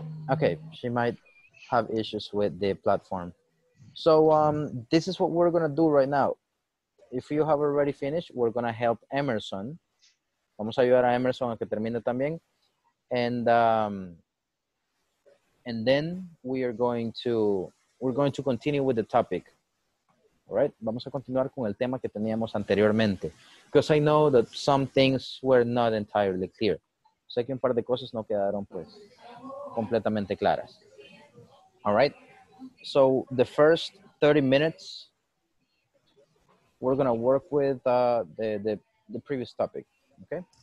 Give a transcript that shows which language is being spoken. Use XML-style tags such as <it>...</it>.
<en>Okay, she might have issues with the platform. So this is what we're going to do right now. If you have already finished, we're going to help Emerson.</en> <es>Vamos a ayudar a Emerson a que termine también.</es> <en>And then we're going to continue with the topic, all right?</en> <es>Vamos a continuar con el tema que teníamos anteriormente.</es> <en>Because I know that some things were not entirely clear.</en> <es>Sé que un par de cosas no quedaron, pues, completamente claras.</es> <en>All right? So the first 30 minutes, we're going to work with the previous topic, okay?</en>